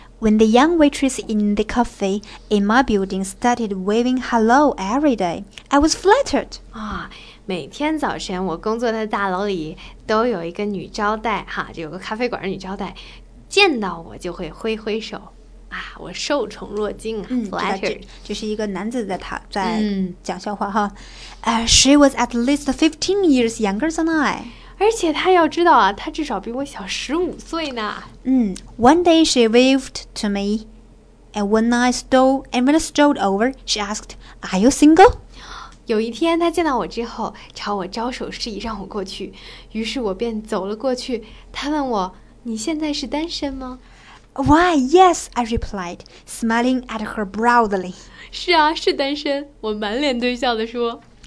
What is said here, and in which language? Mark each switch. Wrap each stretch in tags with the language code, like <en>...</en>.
<en>When the young waitress in the cafe in my building started waving hello every day, I was flattered.</en> <zh>每天早晨我工作的大楼里都有一个女招待，哈，有个咖啡馆的女招待，见到我就会挥挥手。啊，我受宠若惊啊、嗯、</zh> <en>flattered</en> <zh>就是一个男子在他在讲笑话哈、</zh> <en>She was at least 15 years younger than I</en> <zh>而且他要知道啊他至少比我小15岁呢</zh> <en>嗯 One day she waved to me And when I stole And when I strolled over She asked Are you single?</en> <zh>有一天他见到我之后朝我招手示意让我过去于是我便走了过去他问我你现在是单身吗</zh> <en>Why, yes, I replied, smiling at her broadly.</en> <zh>是啊是单身我满脸堆笑地说</zh>